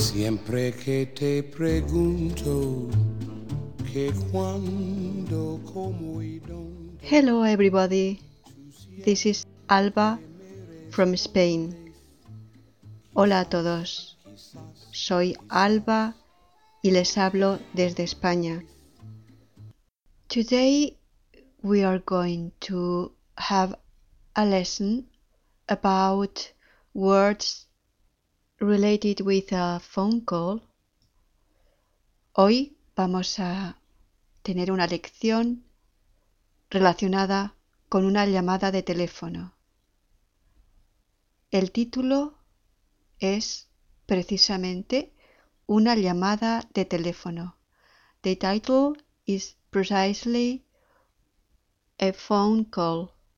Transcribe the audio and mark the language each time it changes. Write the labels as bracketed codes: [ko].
[es] siempre que te pregunto que cuando, como y dónde. [en] Hello everybody, this is Alba from Spain. [es] Hola a todos, soy Alba y les hablo desde España. [en] Today we are going to have a lesson about words related with a phone call. [es] Hoy vamos a tener una lección relacionada con una llamada de teléfono. El título es precisamente una llamada de teléfono. [en] The title is precisely a phone call.